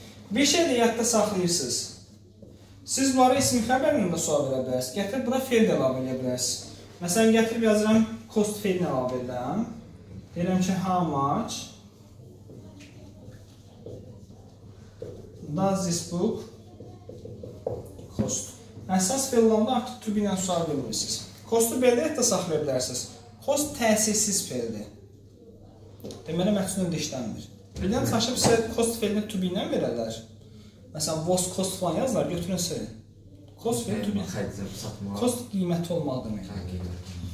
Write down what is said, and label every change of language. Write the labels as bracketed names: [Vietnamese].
[Azerbaijani] Bir şey də yadda saxlayırsınız. Siz bunları isim xəbərlə də sual verə bilərsiniz. Gətirib bura fiil də əlavə edə bilərsiniz. Məsələn, gətirib yazıram cost fiilini əlavə edirəm. Deyirəm ki, [English] how much does this book cost? [Azerbaijani] Əsas fiil olanda artıq to be ilə sual verə bilərsiniz. Costu belə də saxlaya bilərsiniz. Cost təsirsiz fiildir. Deməli, məhz növdə işləmir. Birdən çaşıb sizə cost fiilini to be ilə verərlər. Məsələn, was cost falan yazlar, götürün sizə. Cost fiil to be. Cost qiyməti olmalı demək.